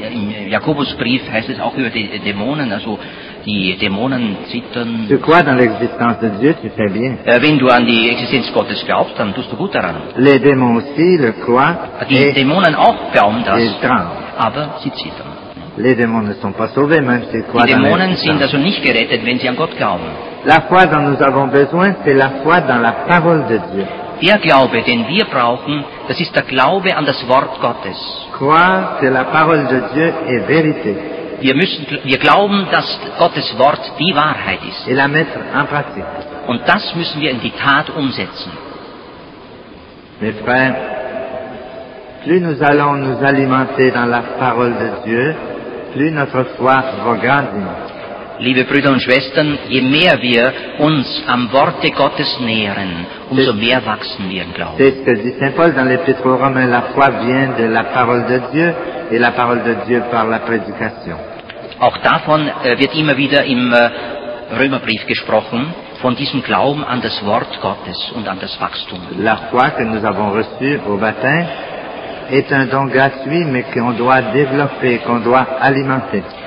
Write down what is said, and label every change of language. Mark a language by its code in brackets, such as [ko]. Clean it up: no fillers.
[de] Im Jakobusbrief heißt es auch über die Dämonen, also die Dämonen zittern. [fr] Tu crois dans l'existence de Dieu, tu fais bien. [de] Wenn du an die Existenz Gottes glaubst, dann tust du gut daran. [fr] Les démons aussi le croient. [de] Die Dämonen auch glauben das. [fr] Ils tremblent. [de] Aber sie zittern. [fr] Les démons ne sont pas sauvés, même si [de] quoi. Die Dämonen sind also nicht gerettet, wenn sie an Gott glauben. [fr] La foi dont nous avons besoin, c'est la foi dans la parole de Dieu. [de] Der Glaube, den wir brauchen, das ist der Glaube an das Wort Gottes. [fr] Croire que la parole de Dieu est vérité. [de] Wir glauben, dass Gottes Wort die Wahrheit ist. [fr] Et la mettre en pratique. [de] Und das müssen wir in die Tat umsetzen. [fr] Mes frères, plus nous allons nous alimenter dans la parole de Dieu, plus notre foi va grandir. [de] Liebe Brüder und Schwestern, je mehr wir uns am Worte Gottes nähren, umso mehr wachsen wir im Glauben. [fr] C'est ce que dit Saint Paul dans l'Épître aux Romains, la foi vient de la parole de Dieu et la parole de Dieu par la prédication. [de] Auch davon wird immer wieder im Römerbrief gesprochen, von diesem Glauben an das Wort Gottes und an das Wachstum. [fr] La foi que nous avons reçue au baptême est un don gratuit, mais qu'on doit développer, qu'on doit alimenter.